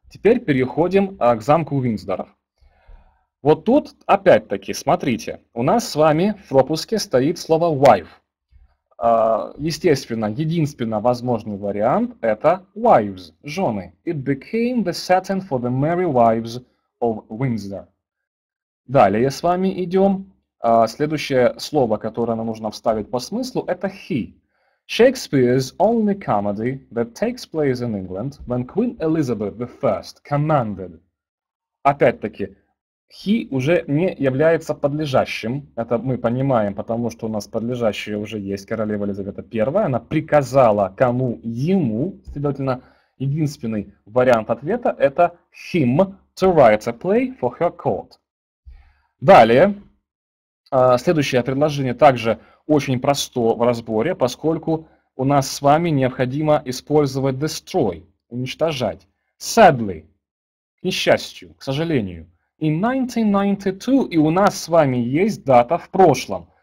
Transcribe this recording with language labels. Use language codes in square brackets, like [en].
[ru] Теперь переходим к замку Windsor. Вот тут, опять-таки, смотрите, у нас с вами в пропуске стоит слово wife. Естественно, единственно возможный вариант – это wives, жены. [en] It became the setting for the merry wives of Windsor. [ru] Далее с вами идем. Следующее слово, которое нам нужно вставить по смыслу – это he. [en] Shakespeare's only comedy that takes place in England when Queen Elizabeth I commanded. [ru] Опять-таки, he уже не является подлежащим. Это мы понимаем, потому что у нас подлежащее уже есть. Королева Елизавета I. Она приказала кому? Ему. Следовательно, единственный вариант ответа это [en] him to write a play for her court. [ru] Далее. Следующее предложение также очень просто в разборе, поскольку у нас с вами необходимо использовать destroy, уничтожать. [en] Sadly. [ru] К несчастью, к сожалению. [en] In 1992, [ru] и у нас с вами есть дата в прошлом.